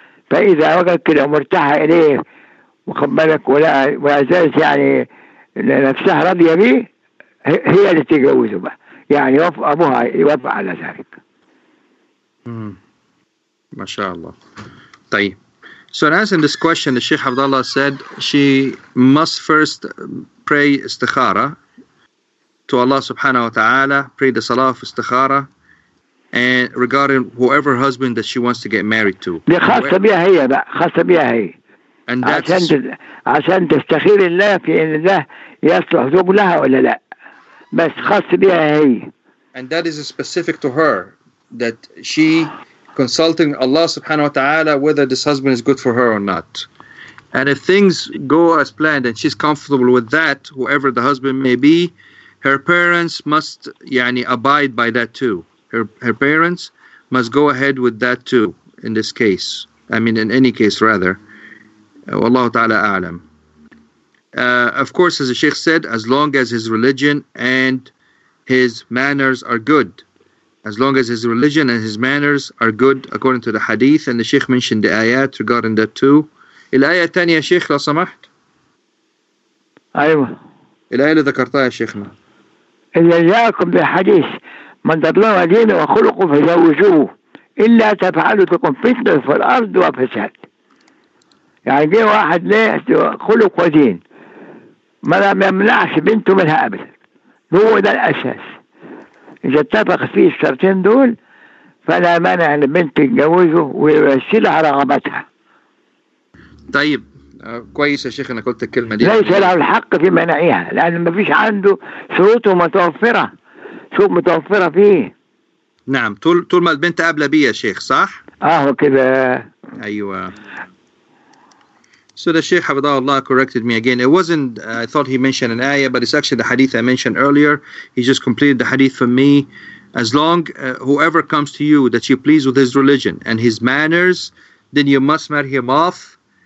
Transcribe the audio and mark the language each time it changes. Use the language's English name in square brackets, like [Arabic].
[Arabic] فإذا وجدت كده مرتاحة إليه وخبرك ولا أساس يعني نفسها راضية بيه، هي اللي تتجوزه بقى، يعني يوافق أبوها يوافق على ذلك. ما شاء الله. طيب. [English] So in answering this question, the Sheikh Abdullah said she must first pray istikhara to Allah subhanahu wa ta'ala, pray the salah of istikhara and regarding whoever husband that she wants to get married to. [Arabic] خاصة بها هي بقى، خاصة بها هي. [English] And that's [Arabic] عشان تستخير الله في ان الله يصلح زوج لها ولا لا. بس خاصة بها هي. [English] And that is specific to her that she consulting Allah subhanahu wa ta'ala whether this husband is good for her or not. And if things go as planned and she's comfortable with that, whoever the husband may be, her parents must يعني abide by that too. Her parents must go ahead with that too in this case. I mean in any case rather. Wallahu ta'ala a'lam. Of course, as the Sheikh said, as long as his religion and his manners are good. As long as his religion and his manners are good, according to the hadith, and the Sheikh mentioned the ayat regarding that too. [Arabic] الآية الثانية يا شيخ لو سمحت. أيوة. الآية اللي ذكرتها يا شيخنا. إلا جاءكم بحديث من تبلغ دينه وخلقه فزوجوه إلا تفعلوا تكون فتنة في الأرض وفساد. يعني جاء واحد ليه خلق ودين ما لم يمنعش بنته منها أبدا، هو ده الأساس. إذا اتفق فيه الشرطين دول فلا مانع البنت تتجوزه ويرسلها رغبتها. طيب كويس يا شيخ انا قلت الكلمة دي. ليس له الحق في منعها لأن ما فيش عنده شروطه متوفرة، شروط متوفرة فيه. نعم، طول ما البنت قابلة بي يا شيخ صح؟ كده. أيوة. [English] So the Sheikh Hafidah Allah corrected me again. It wasn't, I thought he mentioned an ayah, but it's actually the hadith I mentioned earlier. He just completed the hadith for me. As long whoever comes to you that you please with his religion and his manners, then you must marry him off.